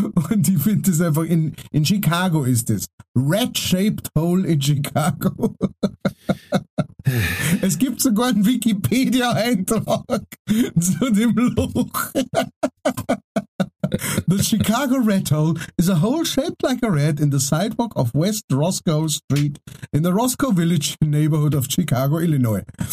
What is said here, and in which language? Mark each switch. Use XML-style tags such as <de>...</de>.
<de>Und ich finde das einfach, in Chicago ist das.</de> <en>Rat-shaped hole in Chicago.</en> <de>Es gibt sogar einen Wikipedia-Eintrag zu dem Loch.</de> <en>The Chicago rat hole is a hole shaped like a rat in the sidewalk of West Roscoe Street in the Roscoe Village neighborhood of Chicago, Illinois.</en>